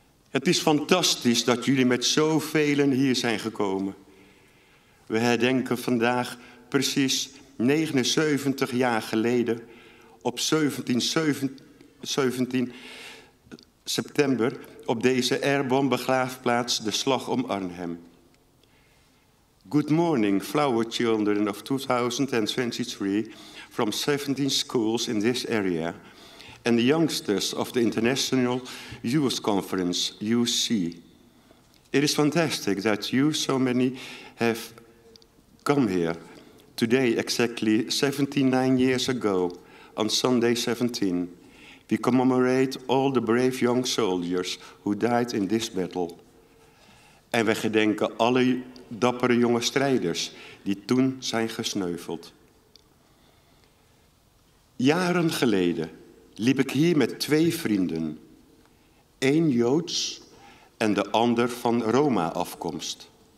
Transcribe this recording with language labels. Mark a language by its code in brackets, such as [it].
[nl] Het is fantastisch dat jullie met zoveel hier zijn gekomen. We herdenken vandaag precies 79 jaar geleden, op 17 september, op deze Airborne begraafplaats de Slag om Arnhem. [en] Good morning, flower children of 2023 from 17 schools in this area, and the youngsters of the International Youth Conference, UC. It is fantastic that you, so many, have come here today, exactly 79 years ago, on Sunday 17. We commemorate all the brave young soldiers who died in this battle. [nl] En we gedenken alle dappere jonge strijders die toen zijn gesneuveld. Jaren geleden liep ik hier met twee vrienden. Eén Joods en de ander van Roma-afkomst.